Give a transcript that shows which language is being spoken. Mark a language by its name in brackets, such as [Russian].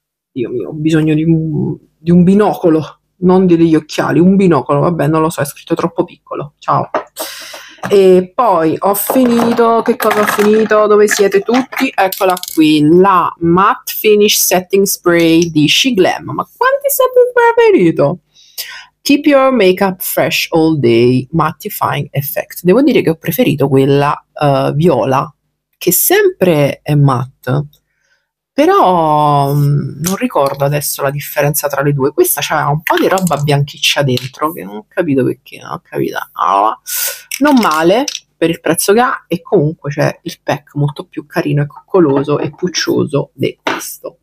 [Italian] Dio mio, ho bisogno di un binocolo, non degli occhiali, un binocolo, vabbè, non lo so, è scritto troppo piccolo. Ciao. E poi ho finito, che cosa ho finito? Dove siete tutti? Eccola qui, la Matte Finish Setting Spray di She Glam. Ma quanti siete preferito? [English] Keep your makeup fresh all day, mattifying effect. [Italian] Devo dire che ho preferito quella viola, che sempre è matte, però non ricordo adesso la differenza tra le due. Questa c'ha un po' di roba bianchiccia dentro, che non ho capito perché, non ho capito. Allora, non male per il prezzo che ha, e comunque c'è il pack molto più carino e coccoloso e puccioso di questo.